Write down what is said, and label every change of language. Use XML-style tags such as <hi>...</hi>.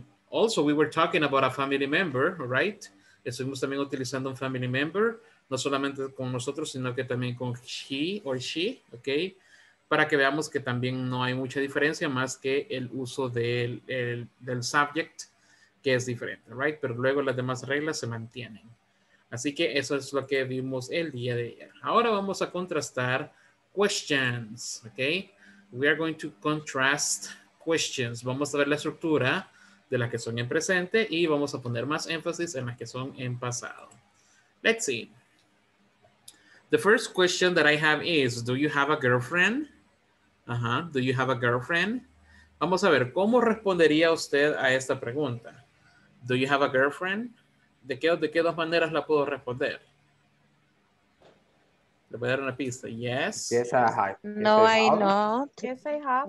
<en>Also, we were talking about a family member, right?</en> <es>Estuvimos también utilizando un family member, no solamente con nosotros, sino que también con</es> <en>he or she,</en> <es>ok? Para que veamos que también no hay mucha diferencia más que el uso del subject, que es diferente, right? Pero luego las demás reglas se mantienen. Así que eso es lo que vimos el día de ayer. Ahora vamos a contrastar questions, okay?</es> <en>We are going to contrast questions.</en> <es>Vamos a ver la estructura de las que son en presente y vamos a poner más énfasis en las que son en pasado.</es> <en>Let's see. The first question that I have is, do you have a girlfriend? Do you have a girlfriend?</en> <es>Vamos a ver, ¿cómo respondería usted a esta pregunta?</es> <en>Do you have a girlfriend?</en> <es>¿De qué dos maneras la puedo responder? Le voy a dar una pista. Yes.</es> <en>Yes, I have. No, yes, I have. Not. Yes, I have.</en>